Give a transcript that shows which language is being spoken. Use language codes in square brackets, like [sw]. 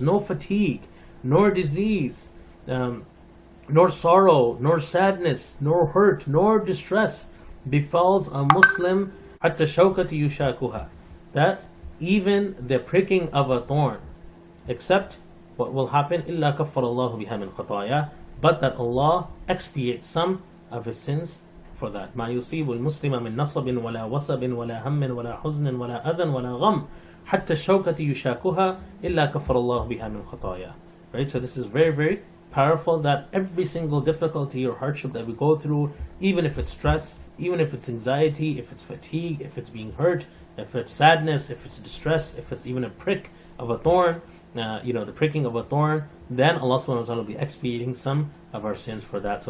[en] No fatigue, nor disease, nor sorrow, nor sadness, nor hurt, nor distress befalls a Muslim [ar] حتى شوكت يشاكها. [en] That even the pricking of a thorn, except what will happen, [ar] إلا كفر الله بها من خطايا, [en] but that Allah expiates some of his sins for that. [ar] ما يصيب المسلم من نصب ولا وصب ولا هم ولا حزن ولا أذى ولا غم حتى الشوكة يشاكها إلا كفر الله بها من خطايا. [en] Right? So this is very, very powerful, that every single difficulty or hardship that we go through, even if it's stress, even if it's anxiety, if it's fatigue, if it's being hurt, if it's sadness, if it's distress, if it's even a prick of a thorn, you know, the pricking of a thorn, then Allah subhanahu wa ta'ala will be expiating some of our sins for that.